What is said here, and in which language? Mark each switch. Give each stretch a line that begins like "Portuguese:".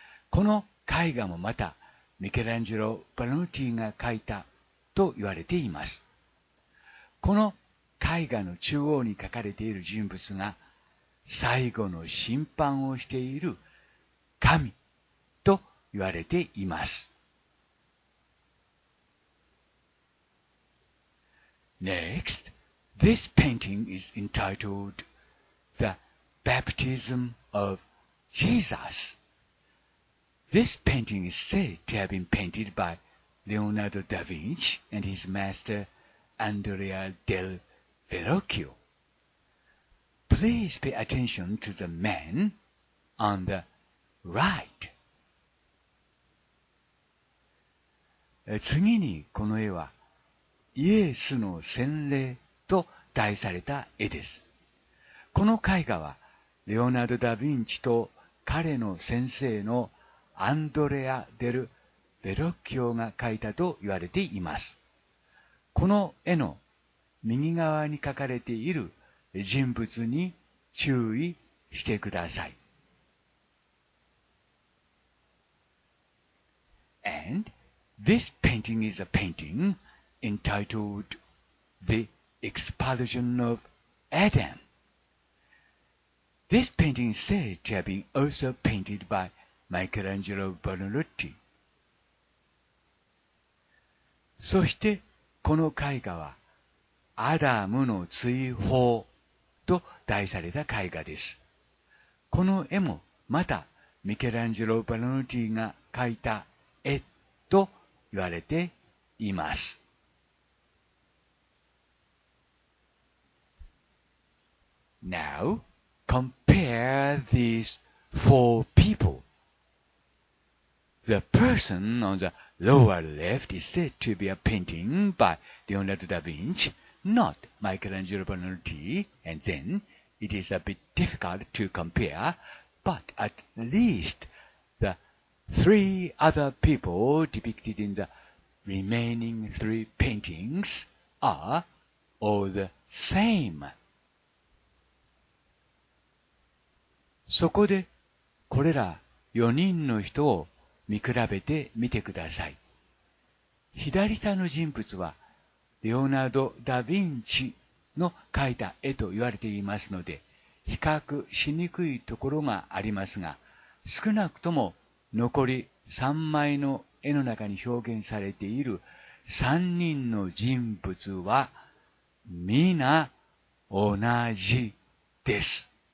Japanese: この絵画もまたミケランジェロ・バラノティが描いたと言われています。この絵画の中央に描かれている人物が最後の審判をしている神と言われています。
English: Next, this painting is entitled The Baptism of Jesus. This painting is said to have been painted by Leonardo da Vinci and his master Andrea del Verrocchio. Please pay attention to the man on the right.
Japanese: 次にこの絵はイエスの洗礼と題された絵です。この絵画はレオナルド・ダ・ヴィンチと彼の先生のアンドレア・デル・ベロッキオが描いたと言われています。この絵の右側に描かれている人物に注意してください。
English: And this painting is a paintingEntitled The Expulsion of Adam. This painting is said to have been also painted by Michelangelo Buonarroti.
Japanese: そしてこの絵画はアダムの追放と題された絵画です。この絵もまたミケランジェロ・バラノティが描いた絵と言われています。
English: Now, compare care these four people. The person on the lower left is said to be a painting by Leonardo da Vinci, not Michelangelo Buonarroti, and then it is a bit difficult to compare, but at least the three other people depicted in the remaining three paintings are all the same.
Japanese: そこでこれら4人の人を見比べてみてください。左下の人物はレオナルド・ダ・ヴィンチの描いた絵と言われていますので比較しにくいところがありますが、少なくとも残り3枚の絵の中に表現されている3人の人物は皆同じです。